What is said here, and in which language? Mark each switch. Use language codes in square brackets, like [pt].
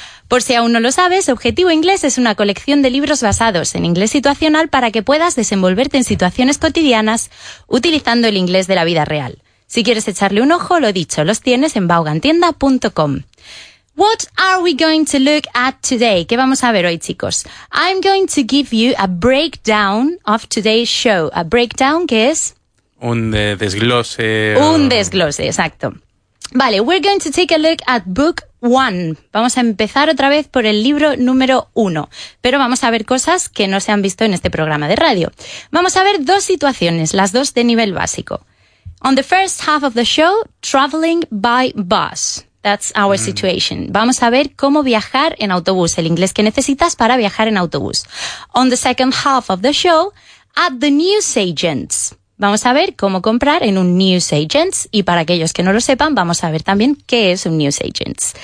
[es] Por si aún no lo sabes, Objetivo Inglés es una colección de libros basados en inglés situacional para que puedas desenvolverte en situaciones cotidianas utilizando el inglés de la vida real. Si quieres echarle un ojo, lo dicho, los tienes en vaughantienda.com. [en] What are we going to look at today? [es] ¿Qué vamos a ver hoy, chicos? [en] I'm going to give you a breakdown of today's show. [es] A breakdown, ¿qué es? Un desglose. Un desglose, exacto. [en] Vale, we're going to take a look at book one. [es] Vamos a empezar otra vez por el libro número uno. Pero vamos a ver cosas que no se han visto en este programa de radio. Vamos a ver dos situaciones, las dos de nivel básico. [en] On the first half of the show, traveling by bus. That's our situation. [es] Vamos a ver cómo viajar en autobús, el inglés que necesitas para viajar en autobús. [en] On the second half of the show, at the newsagents. [es] Vamos a ver cómo comprar en un newsagent. Y para aquellos que no lo sepan, vamos a ver también qué es un newsagent.